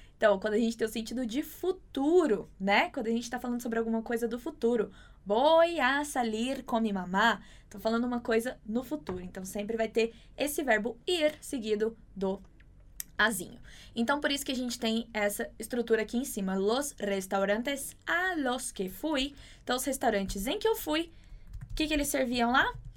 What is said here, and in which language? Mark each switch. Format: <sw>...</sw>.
<pt>Então, quando a gente tem o sentido de futuro, né? Quando a gente tá falando sobre alguma coisa do futuro.</pt> <es>Voy a salir con mi mamá.</es> <pt>Tô falando uma coisa no futuro. Então, sempre vai ter esse verbo ir seguido do azinho. Então, por isso que a gente tem essa estrutura aqui em cima.</pt> <es>Los restaurantes a los que fui.</es> <pt>Então, os restaurantes em que eu fui. O que, que eles serviam lá?</pt>